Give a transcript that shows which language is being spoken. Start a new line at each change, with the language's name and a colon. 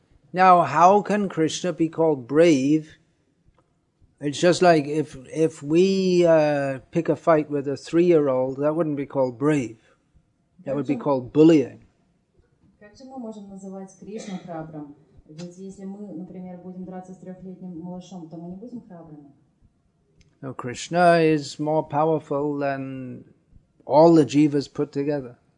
English: Now, how can Krishna be called brave? It's just like if we pick a fight with a 3-year-old, that wouldn't be called brave. That would be called bullying.
Russian: Как же мы можем называть Кришну храбрым? Ведь если мы, например, будем драться с 3-летним малышом, то мы не будем храбрыми.
English: No, Krishna is more powerful than all the jivas put together.